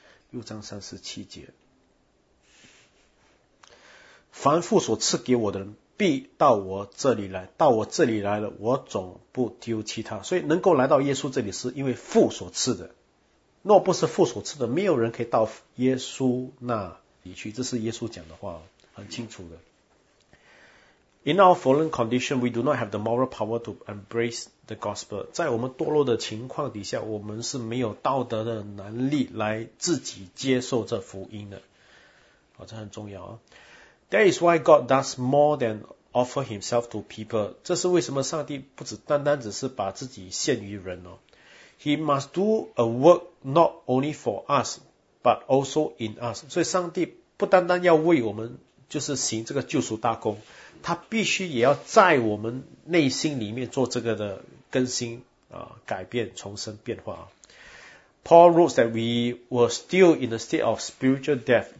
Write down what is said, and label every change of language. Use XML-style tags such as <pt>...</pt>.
<zh>六章三十七节，凡父所赐给我的人必到我这里来，到我这里来了，我总不丢弃他。所以能够来到耶稣这里，是因为父所赐的。若不是父所赐的，没有人可以到耶稣那里去。这是耶稣讲的话，很清楚的。</zh> <en>In our fallen condition, we do not have the moral power to embrace the gospel.</en> <zh>在我们堕落的情况底下，我们是没有道德的能力来自己接受这福音的。哦，这很重要啊。</zh> <en>That is why God does more than offer himself to people.</en> <zh>这是为什么上帝不只单单只是把自己献于人哦。</zh> <en>He must do a work not only for us, but also in us.</en> <zh>所以上帝不单单要为我们就是行这个救赎大功，他必须也要在我们内心里面做这个的更新啊，改变重生变化。</zh> <en>Paul wrote that we were still in a state of spiritual death.</en>